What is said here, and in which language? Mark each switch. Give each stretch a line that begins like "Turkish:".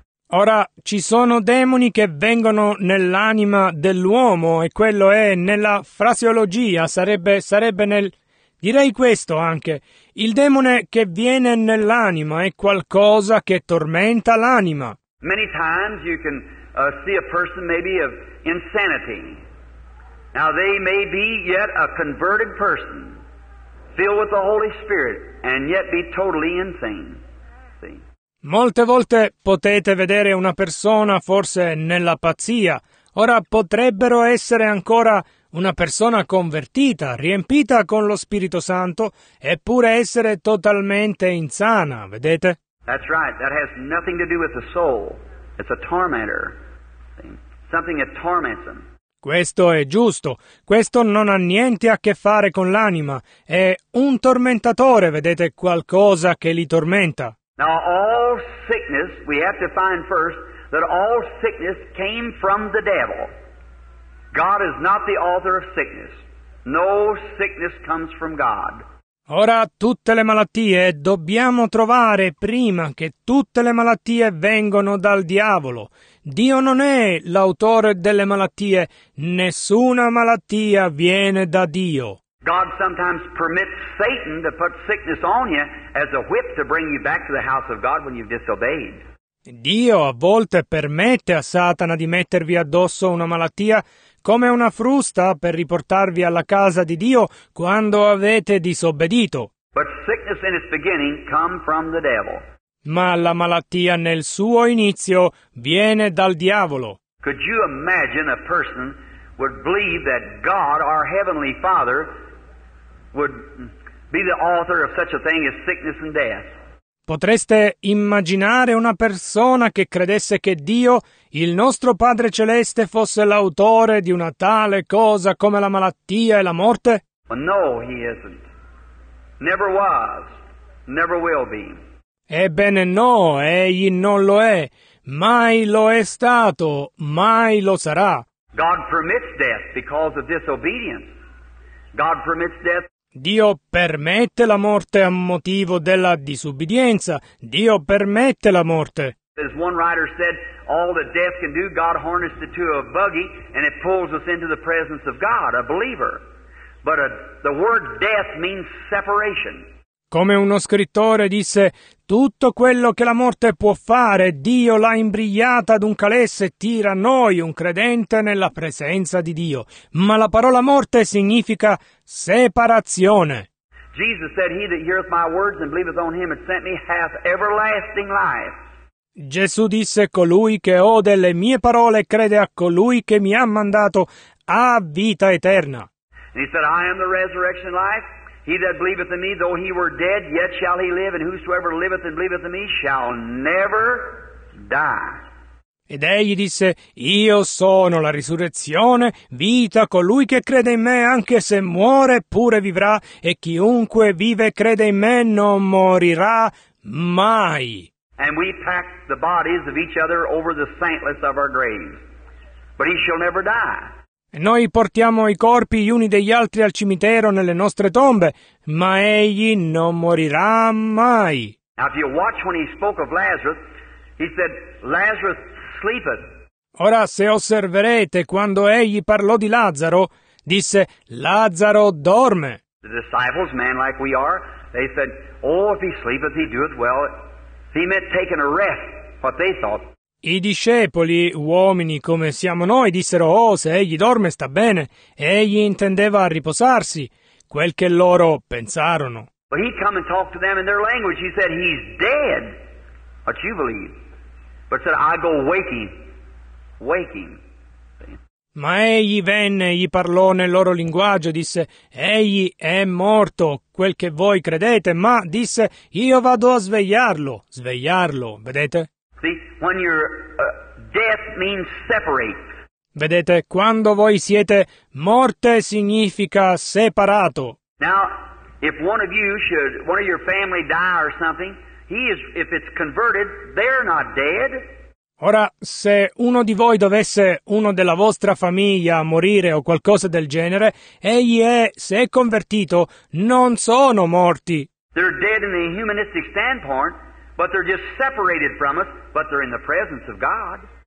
Italian: Ora, ci sono demoni che vengono nell'anima dell'uomo e quello è nella fraseologia, sarebbe nel... Direi questo anche. Il demone che viene nell'anima è qualcosa che tormenta l'anima.
English: Many times you can see a person maybe of insanity. Now they may be yet a converted person, filled with the Holy Spirit, and yet be totally insane.
Italian: Molte volte potete vedere una persona forse nella pazzia. Ora potrebbero essere ancora una persona convertita, riempita con lo Spirito Santo, eppure essere totalmente insana, vedete?
English: That's right. That has nothing to do with the soul. It's a tormentor. Something that torments them.
Italian: Questo è giusto. Questo non ha niente a che fare con l'anima. È un tormentatore, vedete, qualcosa che li tormenta.
English: Now all sickness, we have to find first that all sickness came from the devil. God is not the author of sickness. No sickness comes from God.
Italian: Ora tutte le malattie dobbiamo trovare prima che tutte le malattie vengono dal diavolo. Dio non è l'autore delle malattie. Nessuna malattia viene da Dio.
English: God sometimes permits Satan to put sickness on you as a whip to bring you back to the house of God when you've disobeyed.
Italian: Dio a volte permette a Satana di mettervi addosso una malattia come una frusta per riportarvi alla casa di Dio quando avete disobbedito.
English: But sickness in its beginning come from the devil.
Italian: Ma la malattia nel suo inizio viene dal diavolo.
English: Could you imagine a person would believe that God, our Heavenly Father, would be the author of such a thing as sickness and death?
Italian: Potreste immaginare una persona che credesse che Dio, il nostro Padre Celeste, fosse l'autore di una tale cosa come la malattia e la morte?
English: Well, no, he isn't. Never was, never will be.
Italian: Ebbene no, egli non lo è. Mai lo è stato, mai lo sarà.
English: God permits death because of disobedience. God permits death.
Italian: Dio permette la morte a motivo della disubbidienza. Dio permette la morte.
English: As one writer said, all that death can do, God harnessed it to a buggy and it pulls us into the presence of God, a believer. But the word death means separation.
Italian: Come uno scrittore disse, tutto quello che la morte può fare, Dio l'ha imbrigliata ad un calesse e tira noi, un credente, nella presenza di Dio. Ma la parola morte significa separazione.
English: Jesus said, he that heareth my words and believeth on him that sent me hath everlasting life.
Italian: Gesù disse, colui che ode le mie parole e crede a colui che mi ha mandato ha vita eterna.
English: And he said, I am the resurrection life. He that believeth in me, though he were dead, yet shall he live, and whosoever liveth and believeth in me shall never die.
Italian: Ed egli disse, io sono la risurrezione, vita, colui che crede in me, anche se muore, pure vivrà, e chiunque vive e crede in me non morirà mai.
English: And we pack the bodies of each other over the saintless of our graves, but he shall never die.
Italian: Noi portiamo i corpi gli uni degli altri al cimitero nelle nostre tombe, ma egli non morirà mai.
English: Now, if you watch when he spoke of Lazarus, he said, Lazarus sleepeth.
Italian: Ora, se osserverete, quando egli parlò di Lazzaro, disse, Lazzaro dorme.
English: The disciples, man like we are, they said, oh, if he sleepeth, he doeth well. He meant taking a rest, what they thought.
Italian: I discepoli, uomini come siamo noi, dissero, oh, se egli dorme sta bene. Egli intendeva riposarsi, quel che loro pensarono.
English: But he'd come and talk to them in their language. He said, he's dead, what you believe. But said, I go waking, waking.
Italian: Ma egli venne, gli parlò nel loro linguaggio, disse, egli è morto, quel che voi credete, ma disse, io vado a svegliarlo, svegliarlo, vedete?
English: When you're death means separate.
Italian: Vedete, quando voi siete morte significa separato.
English: Now, if one of you should, one of your family die or something, he is, if it's converted, they're not dead.
Italian: Ora, se uno di voi dovesse, uno della vostra famiglia, morire o qualcosa del genere, egli è, se è convertito, non sono morti.
English: They're dead in the humanistic standpoint. But they're just separated from us, but they're in the presence of God.